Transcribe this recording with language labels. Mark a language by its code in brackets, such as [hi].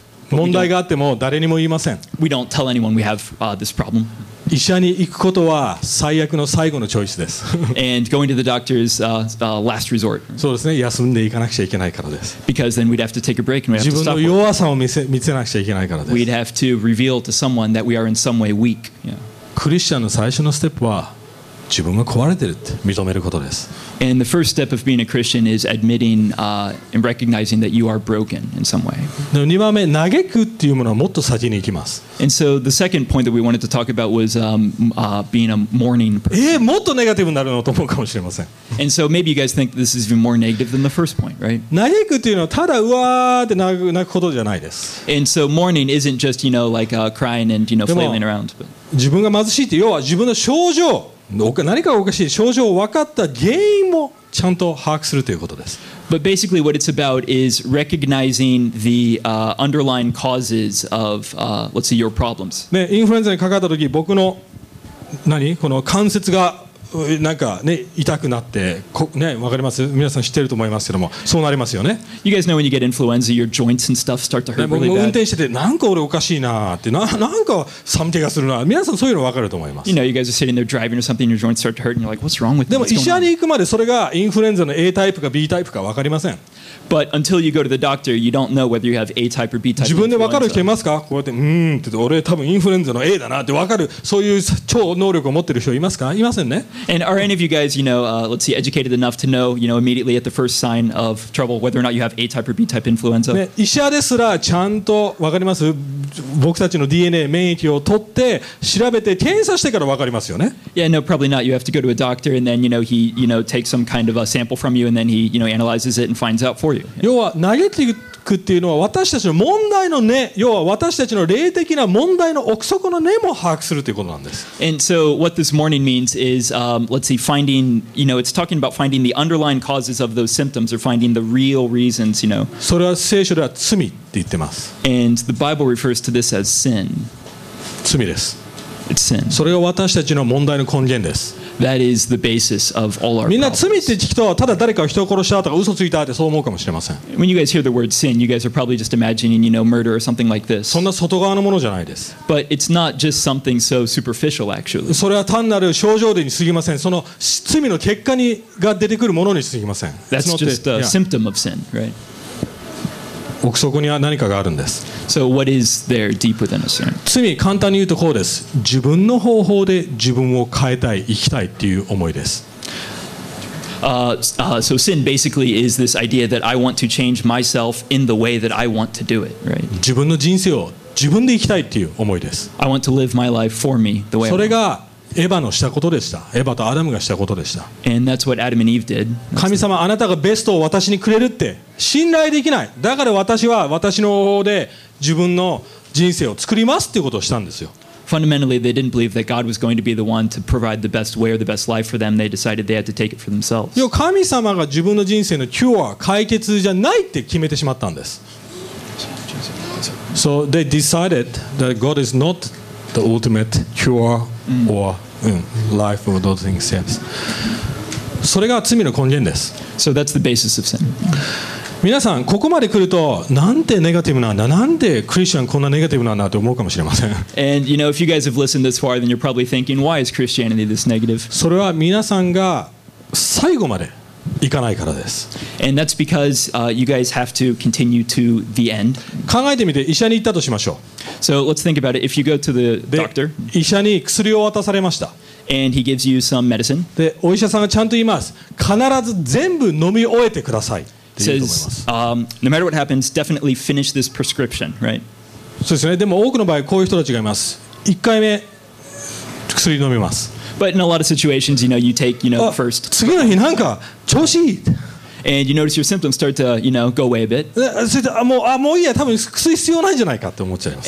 [ja] 問題があっても誰にも言いません。 [en] We don't tell anyone we have this problem. [ja] 医者に行くことは最悪の最後のチョイスです。 [en] And going to the doctor is last resort. [ja] そうですね。休んで行かなくちゃいけないからです。 [en] Because then we'd have to take a break and we'd have to stop. [ja] 自分の弱さを見せなくちゃいけないからです。 [en] We'd have to reveal to someone that we are in some way weak. [ja] クリスチャンの最初のステップは自分が壊れてるって認めることです。 [en] And the first step of being a Christian is admitting and recognizing that you are broken in some way. [ja] 2番目、嘆くっていうものはもっと先に行きます。 [en] And so the second point that we wanted to talk about was being a mourning person. [ja] もっとネガティブになるのと思うかもしれません。 [en] And so maybe you guys think this is even more negative than the first point, right? [ja] 嘆くっていうのはただうわーって泣くことじゃないです。 [en] And so mourning isn't just, you know, like crying and, you know, flailing around. But... [ja] 自分が貧しいって要は自分の症状。何かおかしい症状を分かった原因もちゃんと把握するということです。 [en] But basically what it's about is recognizing the underlying causes of let's say your problems. [ja] ね、インフルエンザにかかった時、僕の何この関節がなんかね痛くなってこね分かります皆さん知ってると思いますけどもそうなりますよね。 [en] You guys know when you get influenza, your joints and stuff start to hurt really bad. [ja] 運転しててなんか俺おかしいなってなんか寒気がするな皆さんそういうの分かると思います。 [en] You know, you guys are sitting there driving or something, your joints start to hurt, and you're like, what's wrong with me? [ja] でも医者に行くまでそれがインフルエンザの A タイプか B タイプか分かりません。 [en] But until you go to the doctor, you don't know whether you have A type or B type. [ja] 自分で分かる人いますか？こうやってって俺多分インフルエンザの A だなって分かるそういう超能力を持ってる人いますか？いませんね。 [en] And are any of you guys, you know, let's see, educated enough to know, you know, immediately at the first sign of trouble whether or not you have A type or B type influenza? [ja] 医者ですらちゃんと分かります？僕たちの DNA 免疫を取って調べて検査してから分かりますよね。 [en] Yeah, no, probably not. You have to go to a doctor and then, you know, he, you know, takes some kind of a sample from you and then he, you know, analyzes it and finds out for you. Yeah. [ja] 要は嘆くっていうのは私たちの問題の根、要は私たちの霊的な問題の奥底の根も把握するということなんです。 [en] And so what this morning means is, let's see, finding, you know, it's talking about finding the underlying causes of those symptoms or finding the real reasons, you know. [ja] それは聖書では罪って言ってます。 [en] And the Bible refers to this as sin. [ja] 罪です。 [en] It's sin. [ja] それが私たちの問題の根源です。 [en] That is the basis of all our problems. [ja] みんな罪って聞くとただ誰かを人を殺したとか嘘ついたってそう思うかもしれません。 [en] When you guys hear the word sin, you guys are probably just imagining, you know, murder or something like this. [ja] そんな外側のものじゃないです。 [en] But it's not just something so superficial, actually. [ja] それは単なる症状でに過ぎません。その罪の結果にが出てくるものに過ぎません。 [en] That's just a symptom of sin, right? [ja] 奥底には何かがあるんです。 [en] So what is there deep within us? [ja] 罪、簡単に言うとこうです。自分の方法で自分を変えたい、生きたいっていう思いです。 [en] So sin basically is this idea that I want to change myself in the way that I want to do it, right? [ja] 自分の人生を自分で生きたいっていう思いです。 [en] I want to live my life for me the way I want. [ja] それがエヴァのしたことでした。エヴァとアダムがしたことでした。 [en] And that's what Adam and Eve did. [ja] 神様、あなたがベストを私にくれるって信頼できない。だから私は私の方法で自分の人生を作りますっていうことをしたんですよ。 [en] Fundamentally, they didn't believe that God was going to be the one to provide the best way or the best life for them. They decided they had to take it for themselves. [ja] 要は神様が自分の人生のキュア、解決じゃないって決めてしまったんです。 [en] So they decided that God is not the ultimate cure or life or those things, yes. [ja] それが罪の根源です。 [en] So that's the basis of sin. [ja] 皆さん、ここまで来ると、なんてネガティブなんだ、なんでクリスチャンこんなネガティブなんだと思うかもしれません。 [en] And you know, if you guys have listened this far, then you're probably thinking, why is Christianity this negative? [ja] それは皆さんが最後まで行かないからです。 [en] And that's because, you guys have to continue to the end. [ja] 考えてみて、医者に行ったとしましょう。 [en] So let's think about it. If you go to the doctor, [ja] 医者に薬を渡されました。 [en] And he gives you some medicine. [ja] で、お医者さんがちゃんと言います。必ず全部飲み終えてください。 [en] Says, no matter what happens, definitely finish this prescription, right? [ja] そうですね。でも多くの場合こういう人たちがいます。一回目薬飲みます。 [en] But in a lot of situations, you know, you take, you know, first. [ja] 次の日なんか調子いい。 [en] And you notice your symptoms start to, you know, go away a bit. [ja] もういいや、多分薬必要ないんじゃないかって思っちゃいます。